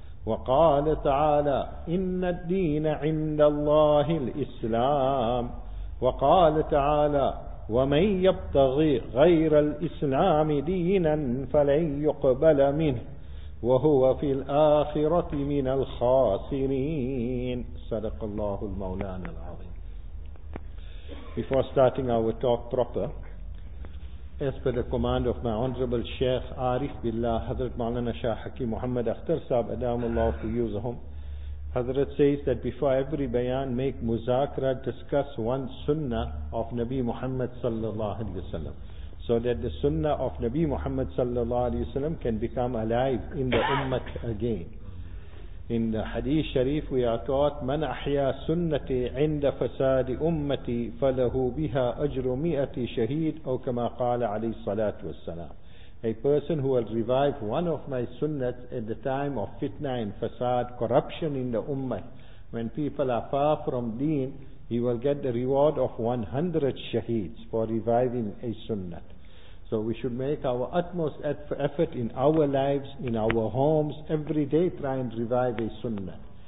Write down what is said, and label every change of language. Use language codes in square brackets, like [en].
[ar] وقال تعالى: إن الدين عند الله الإسلام. وقال تعالى: ومن يبتغي غير الإسلام دينا فلن يقبل منه وهو في الآخرة من الخاسرين. صدق الله المولان العظيم. [en] Before starting our talk proper, as per the command of my Honorable Sheikh Arif Billah, Hazrat Maulana Shah Hakim Muhammad Akhtar Sahib, Adamullah to use him, Hazrat says that before every bayan, make muzakra, discuss one sunnah of Nabi Muhammad sallallahu alayhi wa sallam, so that the sunnah of Nabi Muhammad sallallahu alayhi wa sallam can become alive in the ummah again. In the Hadith Sharif, we are taught, [ar] من أحيا سنتي عند فساد أمتي فله بها أجر مئة شهيد، أو كما قال عليه الصلاة والسلام. [en] A person who will revive one of my sunnats at the time of fitna and fasad, corruption in the ummah, when people are far from deen, he will get the reward of 100 shaheeds for reviving a sunnat. So we should make our utmost effort in our lives, in our homes, every day try and revive a sunnat.